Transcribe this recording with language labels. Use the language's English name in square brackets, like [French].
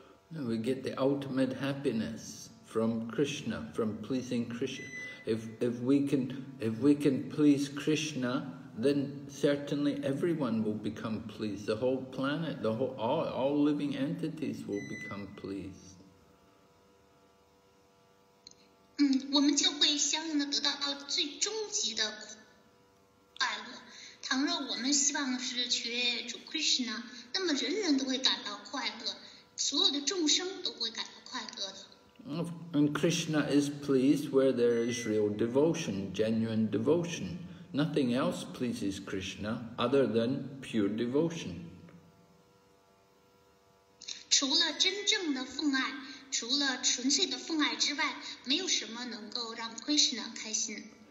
[English] We get the ultimate happiness from Krishna, from pleasing Krishna. If we can please Krishna, then certainly everyone will become pleased. The whole planet, all living entities will become pleased. [Chinese] 我们就会相应的得到最终极的快乐。倘若我们希望是学主 Krishna， 那么人人都会感到快乐，所有的众生都会感到快乐的。 [English] And Krishna is pleased where there is real devotion, genuine devotion. Nothing else pleases Krishna other than pure devotion. [Chinese] 除了真正的奉爱，除了纯粹的奉爱之外，没有什么能够让 Krishna 开心。